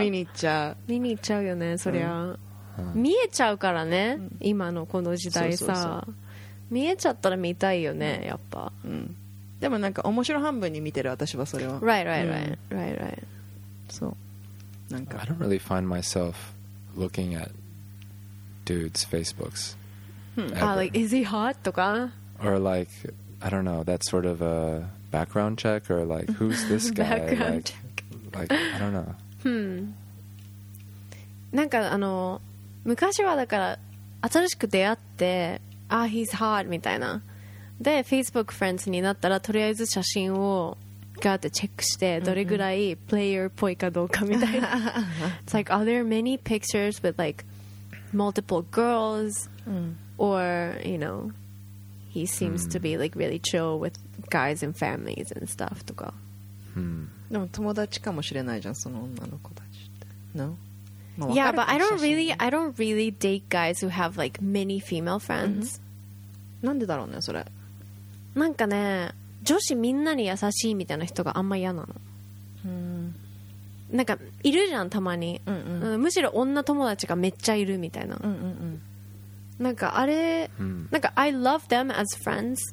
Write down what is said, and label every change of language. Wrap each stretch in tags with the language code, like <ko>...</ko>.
<ja>見に行っちゃうよね、そりゃ、うん。見えちゃうからね、うん、今のこの時代さ。そうそうそう、見えちゃったら見たいよね、うん、やっぱ、うん、でもなんか面白半分に見てる私はそれは</ja> <en>Right, right, right,、うん、right, right.</en> <ja>そうなんか</ja> <en>I don't really find myself looking at dudes Facebooks、 hmm. ah, like, is he hot?</en> <ja>とか</ja> <en>Or like, I don't know, that's sort of a background check or like, who's this guy? background check like, I don't know、</en> <ja>hmm. なんか昔はだから新しく出会って</ja> <en>Ah, he's hot</en> <ja>みたいな。で、Facebook friends になったら、とりあえず写真をガーってチェックして、どれぐらいプレイヤーっぽいかどうかみたいな。</ja> <en>It's like, are there many pictures with like multiple girls? Or, you know, he seems to be like really chill with guys and families and stuff</en> <ja>とか。でも友達かもしれないじゃん、その女の子たちって。</ja> <en>No? Yeah, but I don't really date guys who have like many female friends.</en> <ja>なんでだろうね、それ。なんかね、女子みんなに優しいみたいな人があんま嫌なの。なんかいるじゃん、たまに。むしろ女友達がめっちゃいるみたいな。なんかあれ、なんか</ja> <en>I love them as friends.</en>